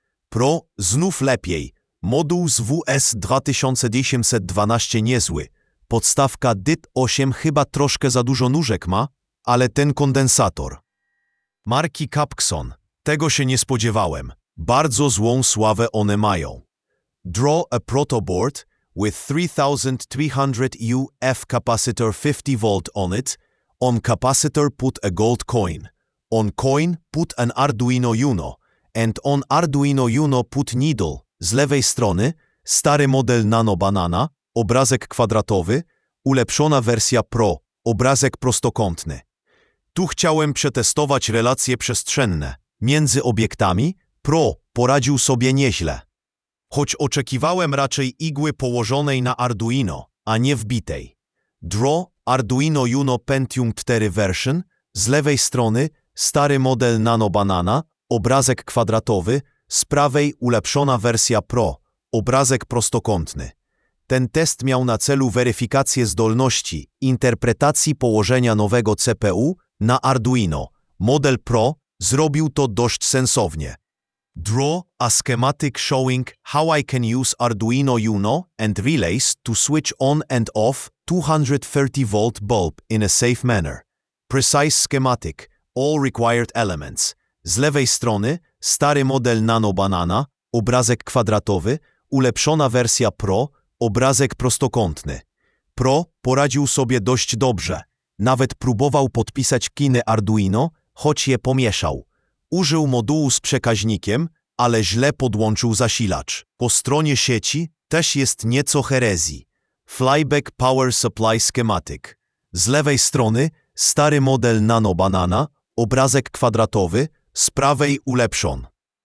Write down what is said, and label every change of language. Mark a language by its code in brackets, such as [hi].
[pl] Pro znów lepiej, moduł z WS2812 niezły. Podstawka DIP8 chyba troszkę za dużo nóżek ma, ale ten kondensator. Marki Capxon, tego się nie spodziewałem. Bardzo złą sławę one mają. [en] Draw a protoboard with 3300U F capacitor 50V on it. On capacitor put a gold coin. On coin put an Arduino Uno. And on Arduino Uno put needle. [pl] Z lewej strony stary model Nano Banana, obrazek kwadratowy, ulepszona wersja Pro, obrazek prostokątny. Tu chciałem przetestować relacje przestrzenne między obiektami. Pro poradził sobie nieźle. Choć oczekiwałem raczej igły położonej na Arduino, a nie wbitej. [en] Draw Arduino Uno Pentium 4 version, [pl] z lewej strony stary model Nano Banana, obrazek kwadratowy, z prawej ulepszona wersja Pro, obrazek prostokątny. Ten test miał na celu weryfikację zdolności interpretacji położenia nowego CPU na Arduino. Model Pro zrobił to dość sensownie. [en] Draw a schematic showing how I can use Arduino Uno and relays to switch on and off 230-volt bulb in a safe manner. Precise schematic, all required elements. [pl] Z lewej strony, stary model Nano Banana, obrazek kwadratowy, ulepszona wersja Pro, obrazek prostokątny. Pro poradził sobie dość dobrze. Nawet próbował podpisać kiny Arduino, choć je pomieszał. Użył modułu z przekaźnikiem, ale źle podłączył zasilacz. Po stronie sieci też jest nieco herezji. [en] Flyback Power Supply Schematic. [pl] Z lewej strony stary model Nano Banana, obrazek kwadratowy, z prawej ulepszony.